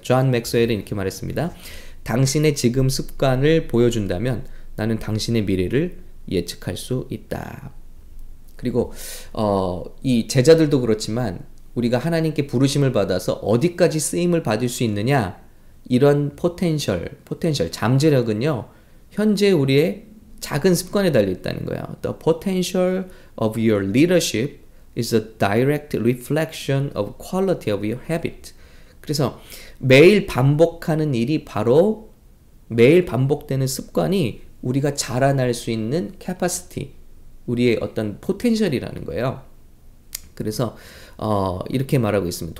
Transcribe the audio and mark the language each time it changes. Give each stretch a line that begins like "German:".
Korean: 존 맥스웰은 이렇게 말했습니다. 당신의 지금 습관을 보여준다면 나는 당신의 미래를 예측할 수 있다. 그리고 이 제자들도 그렇지만 우리가 하나님께 부르심을 받아서 어디까지 쓰임을 받을 수 있느냐, 이런 포텐셜, 잠재력은요, 현재 우리의 작은 습관에 달려있다는 거예요.
English: The potential of your leadership is a direct reflection of quality of your habit.
Korean: 그래서 매일 반복하는 일이 바로, 매일 반복되는 습관이 우리가 자라날 수 있는 capacity, 우리의 어떤 포텐셜이라는 거예요. 그래서 이렇게 말하고 있습니다.